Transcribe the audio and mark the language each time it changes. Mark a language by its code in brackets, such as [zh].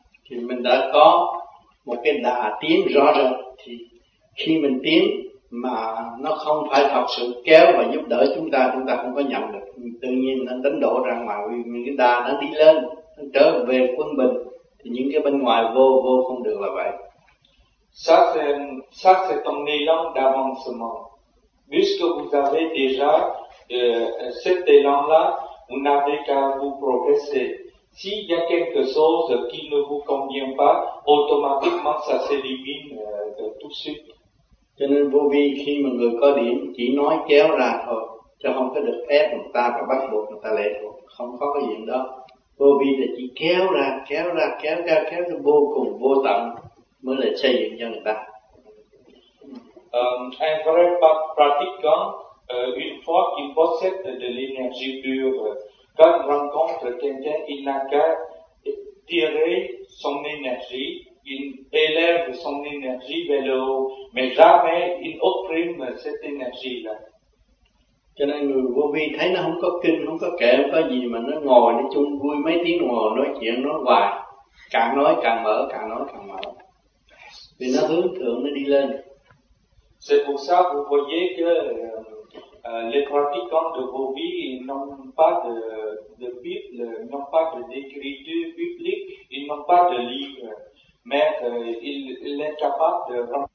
[vi] Thì mình đã có một cái đà tiến rõ rệt, thì khi mình tiến mà nó không phải thật sự kéo và giúp đỡ chúng ta không có nhận được. Tự nhiên nó đánh đổ ra ngoài, những cái đà nó đi lên, nó trở về quân bình, thì những cái bên ngoài vô không được là vậy. [fr] Ça c'est ton élan d'avancement. Puisque vous avez déjà cet élan-là, vous n'avez qu'à vous progresser. S'il y a quelque chose qui ne vous convient pas, automatiquement ça s'élimine de tout de suite. [vi] Cho nên vô vi khi mà người có điểm chỉ nói kéo ra thôi, chứ không có được ép người ta và bắt buộc người ta lệ thuộc, không có cái gì đó. Vô vi là chỉ kéo ra vô cùng vô tận mới là xây dựng cho người ta. [fr] Un vrai pratiquant, une fois qu'il possède de l'énergie pure, quand il rencontre quelqu'un, il n'a qu'à tirer son énergie, il élève son énergie vers le haut, mais jamais il opprime cette énergie-là. [vi] Cho nên người vô vi thấy nó không có kinh, không có kệ, không có gì mà nó ngồi nó chung vui mấy tiếng ngồi nói chuyện nói hoài, càng nói càng mở, càng nói càng mở, vì nó hướng thượng nó đi lên. [fr] C'est pour ça que vous voyez que les pratiquants de vos vies n'ont pas de Bible, n'ont pas d'écriture biblique, ils n'ont pas de livre, mais ils sont capables de